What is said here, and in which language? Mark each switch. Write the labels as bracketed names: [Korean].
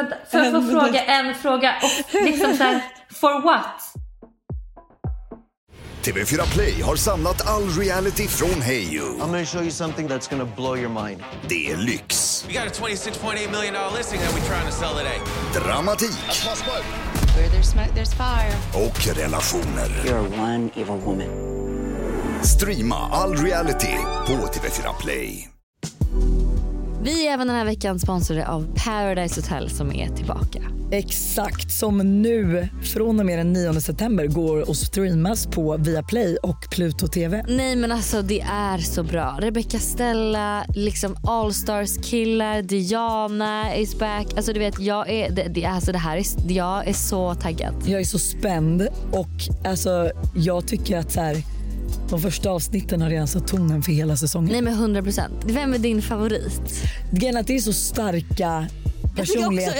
[Swedish] För att få fråga en fråga. Och liksom så här, [English] for what? [Swedish] TV4 Play har samlat all reality från Heyu. [English] I'm gonna show you something that's gonna blow your mind. [Swedish] Det är lyx. [English] We got a $26.8 million listing that we're trying to sell today. [Swedish] Dramatik. [English] Where there's smoke, there's fire. [Swedish] Och relationer. [English] You're one evil woman. [Swedish] Streama all reality på TV4 Play. Vi är även den här veckan sponsrade av Paradise Hotel som är tillbaka. Exakt, som nu från och med den 9 september går och streamas på Viaplay och Pluto TV. Nej men alltså, det är så bra. Rebecca Stella, liksom All Stars killar, Diana is back. Alltså du vet, jag är så taggad. Jag är så spänd och alltså jag tycker att så här, de första avsnitten har redan satt tonen för hela säsongen. Nej men 100%. Vem är din favorit? Det är så starka personligheter.